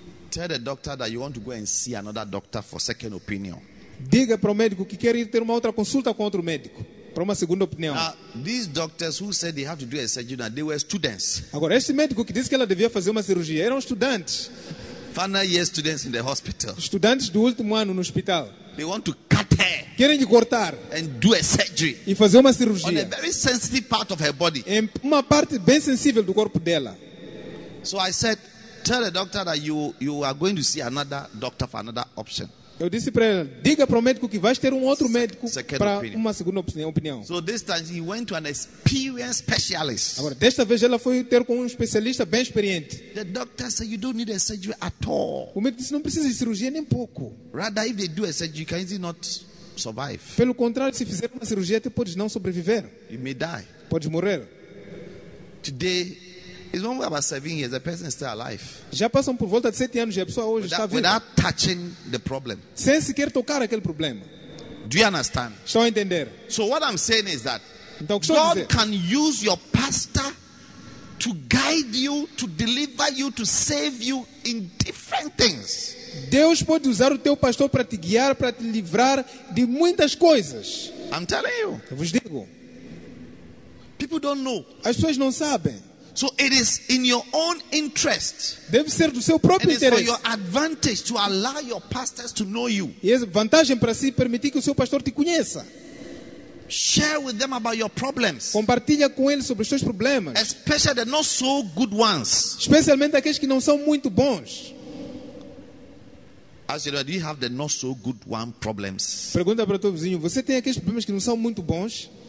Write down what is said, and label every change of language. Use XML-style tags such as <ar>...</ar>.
<en>tell the doctor that you want to go and see another doctor for second opinion.</en> <pt>Diga para o médico que quer ir ter uma outra consulta com outro médico, para uma segunda opinião.</pt> <en>Now, these doctors who said they have to do a surgery, they were students.</en> <pt>Agora esse médico que disse que ela devia fazer uma cirurgia, eram estudantes.</pt> <en>Final year students in the hospital.</en> <pt>Estudantes do último ano no hospital.</pt> <en>They want to cut hair.</en> <pt>Querem lhe cortar.</pt> <en>And do a surgery.</en> <pt>E fazer uma cirurgia.</pt> <en>On a very sensitive part of her body.</en> <pt>Em uma parte bem sensível do corpo dela.</pt> <en>So I said, tell the doctor that you are going to see another doctor for another option.</en> <pt>Eu disse para ela, diga para o médico que vais ter outro médico para uma segunda opinião.</pt> <en>So this time he went to an experienced specialist.</en> <pt>Agora, desta vez ela foi ter com especialista bem experiente.</pt> <en>The doctor said you don't need a surgery at all.</en> <pt>O médico disse, não precisa de cirurgia nem pouco.</pt> <en>Rather, if they do a surgery, can you not survive?</en> <pt>Pelo contrário, se fizer uma cirurgia, até podes não sobreviver.</pt> <en>You may die.</en> <pt>Podes morrer.</pt> <en>Today, it's only about 7 years, the person is still alive.</en> <pt>Já passam por volta de 7 anos e a pessoa hoje está viva.</pt> <en>Without touching the problem.</en> <pt>Sem sequer tocar aquele problema.</pt> <en>Do you understand?</en> <pt>Estão a entender?</pt> <en>So what I'm saying is that</en> <pt>então,</pt> <en>God</en> <pt>dizer?</pt> <en>Can use your pastor to guide you, to deliver you, to save you in different things.</en> <pt>Deus pode usar o teu pastor para te guiar, para te livrar de muitas coisas.</pt> <en>I'm telling you.</en> <pt>Eu vos digo.</pt> <en>People don't know.</en> <pt>As pessoas não sabem.</pt> <en>So it is in your own interest.</en> <pt>Deve ser do seu próprio interesse.</pt> <en>It is for your advantage to allow your pastors to know you.</en> <pt>E é vantagem para si permitir que o seu pastor te conheça.</pt> <en>Share with them about your problems.</en> <pt>Compartilha com eles sobre os seus problemas.</pt> <en>Especially the not so good ones.</en> <pt>Especialmente aqueles que não são muito bons.</pt> <en>As you know, do you have the not so good one problems?</en> <pt>Pergunta para o teu vizinho, você tem aqueles problemas que não são muito bons?</pt>